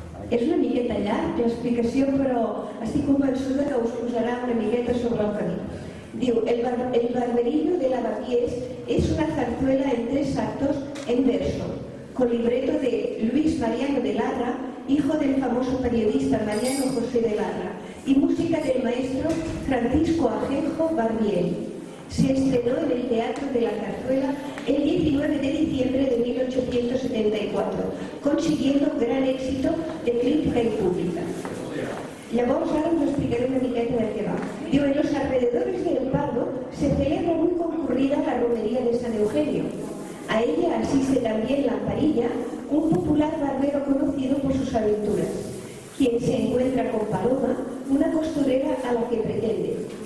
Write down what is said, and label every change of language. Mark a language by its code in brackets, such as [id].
[ca] És una miqueta llarg l'explicació, però estic convençuda que us posarà una miqueta sobre el camí. [es] Diu, el Barberillo de Lavapiés és una zarzuela en tres actos en verso, con libreto de Luis Mariano de Larra, hijo del famoso periodista Mariano José de Larra, y música del maestro Francisco Ajenjo Barbier. Se estrenó en el Teatro de la Zarzuela el 19 de diciembre de 1874, consiguiendo gran éxito de crítica y pública. [ca] Llavors ara us explicaré una miqueta de què va. [es] Diu, en los alrededores de El Pardo se celebra muy concurrida la romería de San Eugenio. A ella asiste también Lamparilla, un popular barbero conocido por sus aventuras, quien se encuentra con Paloma, una costurera a la que pretende.